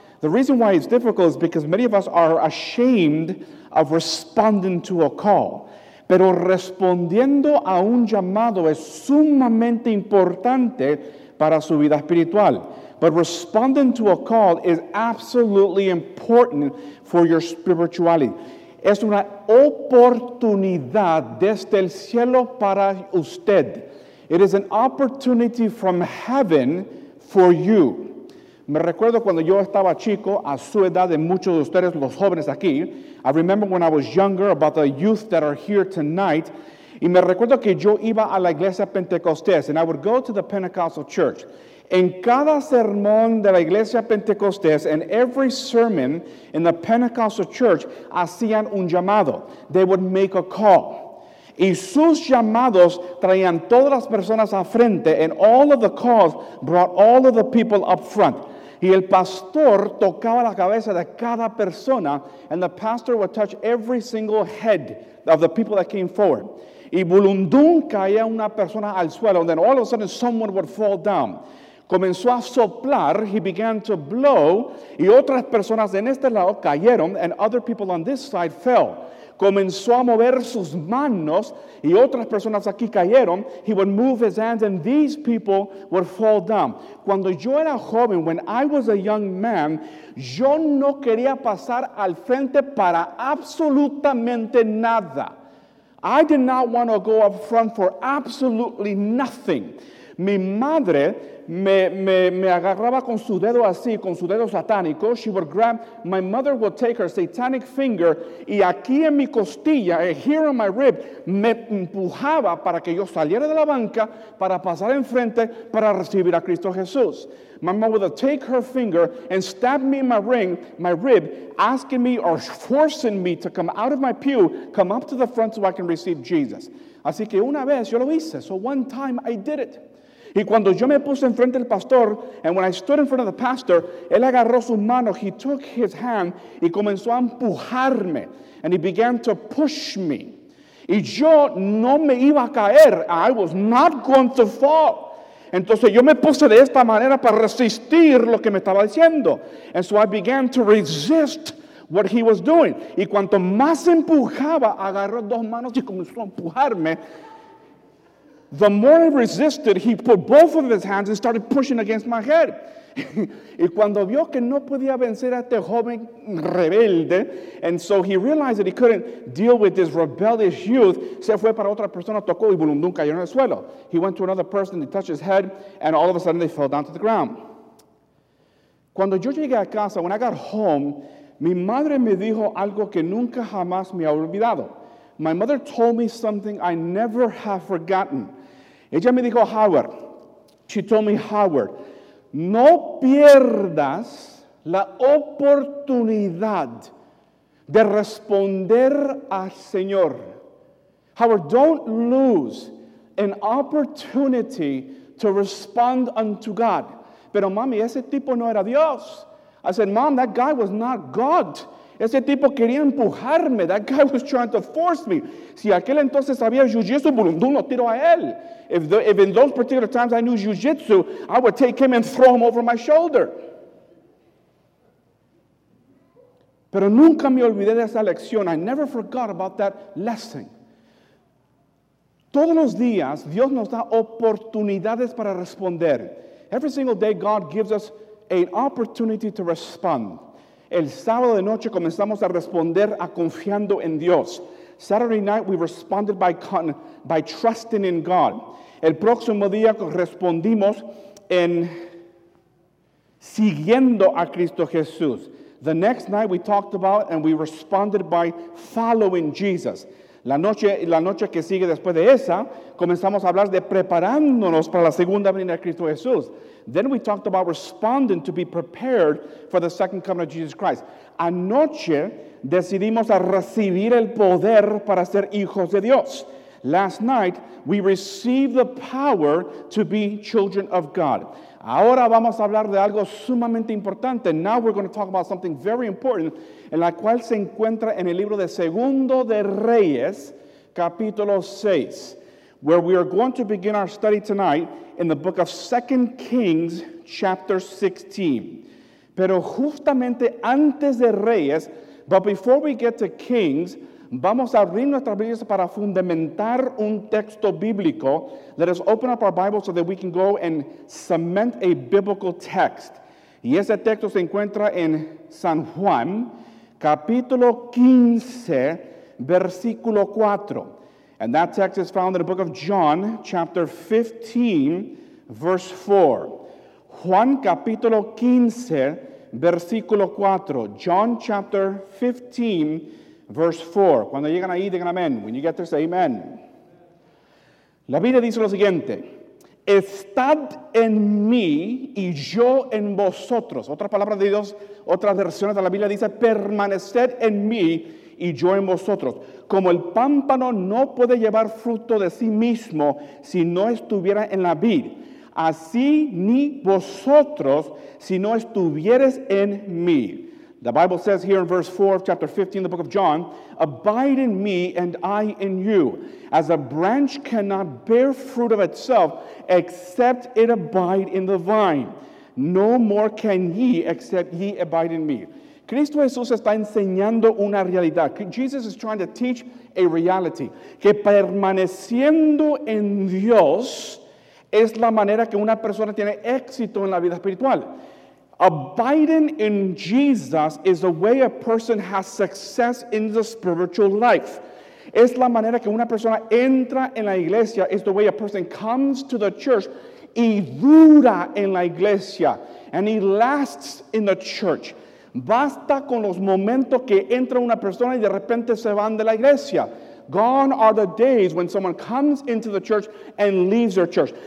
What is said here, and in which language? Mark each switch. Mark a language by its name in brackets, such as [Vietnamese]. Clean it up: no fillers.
[English] The reason why it's difficult is because many of us are ashamed of responding to a call. [Spanish] Pero respondiendo a un llamado es sumamente importante para su vida espiritual. [English] But responding to a call is absolutely important for your spirituality. [Spanish] Es una oportunidad desde el cielo para usted. [English] It is an opportunity from heaven for you. [Spanish] Me recuerdo cuando yo estaba chico, a su edad de muchos de ustedes, los jóvenes aquí. [English] I remember when I was younger, about the youth that are here tonight. [Spanish] Y me recuerdo que yo iba a la iglesia Pentecostés, [English] and I would go to the Pentecostal church. [Spanish] En cada sermón de la iglesia Pentecostés, [English] in every sermon in the Pentecostal church, [Spanish] hacían un llamado. [English] They would make a call. [Spanish] Y sus llamados traían todas las personas a frente, [English] and all of the calls brought all of the people up front. [Spanish] Y el pastor tocaba la cabeza de cada persona, [English] and the pastor would touch every single head of the people that came forward. [Spanish] Y bulundum caía una persona al suelo, [English] and then all of a sudden someone would fall down. [Spanish] Comenzó a soplar, [English] he began to blow, [Spanish] y otras personas en este lado cayeron, [English] and other people on this side fell. [Spanish] Comenzó a mover sus manos, y otras personas aquí cayeron. [English] He would move his hands, and these people would fall down. [Spanish] Cuando yo era joven, [English] when I was a young man, [Spanish] yo no quería pasar al frente para absolutamente nada. [English] I did not want to go up front for absolutely nothing. [Spanish] Mi madre me agarraba con su dedo así, con su dedo satánico. [English] She would grab, my mother would take her satanic finger, [Spanish] y aquí en mi costilla, [English] here on my rib, [Spanish] me empujaba para que yo saliera de la banca para pasar enfrente para recibir a Cristo Jesús. [English] My mother would take her finger and stab me in my rib, asking me or forcing me to come out of my pew, come up to the front so I can receive Jesus. [Spanish] Así que una vez yo lo hice. [English] So one time I did it. [Spanish] Y cuando yo me puse enfrente del pastor, [English] and when I stood in front of the pastor, [Spanish] él agarró su mano, [English] he took his hand, [Spanish] y comenzó a empujarme, [English] and he began to push me. [Spanish] Y yo no me iba a caer, [English] I was not going to fall. [Spanish] Entonces yo me puse de esta manera para resistir lo que me estaba diciendo. [English] And so I began to resist what he was doing. [Spanish] Y cuanto más empujaba, agarró dos manos y comenzó a empujarme. [English] The more I resisted, he put both of his hands and started pushing against my head. [Spanish] Y cuando vio que no podía vencer a este joven rebelde, [English] and so he realized that he couldn't deal with this rebellious youth, [Spanish] se fue para otra persona, tocó y bulundum cayó en el suelo. [English] He went to another person, he touched his head, and all of a sudden they fell down to the ground. [Spanish] Cuando yo llegué a casa, [English] when I got home, [Spanish] mi madre me dijo algo que nunca jamás me ha olvidado. [English] My mother told me something I never have forgotten. [Spanish] Ella me dijo, Howard, [English] she told me, Howard, [Spanish] no pierdas la oportunidad de responder al Señor. [English] Howard, don't lose an opportunity to respond unto God. [Spanish] Pero mami, ese tipo no era Dios. [English] I said, Mom, that guy was not God. [Spanish] Ese tipo quería empujarme. [English] That guy was trying to force me. [Spanish] Si aquel entonces sabía jiu-jitsu, bulundum, lo tiro a él. [English] If in those particular times I knew jiu-jitsu, I would take him and throw him over my shoulder. [Spanish] Pero nunca me olvidé de esa lección. [English] I never forgot about that lesson. [Spanish] Todos los días, Dios nos da oportunidades para responder. [English] Every single day, God gives us an opportunity to respond. [Spanish] El sábado de noche comenzamos a responder a confiando en Dios. [English] Saturday night we responded by trusting in God. [Spanish] El próximo día respondimos en siguiendo a Cristo Jesús. [English] The next night we talked about and we responded by following Jesus. [Spanish] La noche que sigue después de esa, comenzamos a hablar de preparándonos para la segunda venida de Cristo Jesús. [English] Then we talked about responding to be prepared for the second coming of Jesus Christ. [Spanish] Anoche decidimos a recibir el poder para ser hijos de Dios. [English] Last night, we received the power to be children of God. [Spanish] Ahora vamos a hablar de algo sumamente importante. [English] Now we're going to talk about something very important, [Spanish] en la cual se encuentra en el libro de Segundo de Reyes, capítulo 6, [English] where we are going to begin our study tonight in the book of 2 Kings, chapter 16. [Spanish] Pero justamente antes de Reyes, [English] but before we get to Kings, [Spanish] vamos a abrir nuestras Biblias para fundamentar un texto bíblico. [English] Let us open up our Bible so that we can go and cement a biblical text. [Spanish] Y ese texto se encuentra en San Juan, capítulo 15, versículo 4. [English] And that text is found in the book of John, chapter 15, verse 4. [Spanish] Juan, capítulo 15, versículo 4. [English] John, chapter 15, verse 4. [Spanish] Cuando llegan ahí, digan amén. [English] When you get there, say amen. [Spanish] La Biblia dice lo siguiente. Estad en mí y yo en vosotros. Otra palabra de Dios, otras versiones de la Biblia dice, permaneced en mí y yo en vosotros. Como el pámpano no puede llevar fruto de sí mismo si no estuviera en la vid, así ni vosotros si no estuvieres en mí. [English] The Bible says here in verse 4 of chapter 15, the book of John, abide in me and I in you. As a branch cannot bear fruit of itself, except it abide in the vine. No more can ye, except ye abide in me. [Spanish] Cristo Jesús está enseñando una realidad. [English] Jesus is trying to teach a reality. [Spanish] Que permaneciendo en Dios es la manera que una persona tiene éxito en la vida espiritual. [English] Abiding in Jesus is the way a person has success in the spiritual life. [Spanish] Es la manera que una persona entra en la iglesia. [English] It's the way a person comes to the church [Spanish] y dura en la iglesia. [English] And he lasts in the church. [Spanish] Basta con los momentos que entra una persona y de repente se van de la iglesia. [English] Gone are the days when someone comes into the church and leaves their church.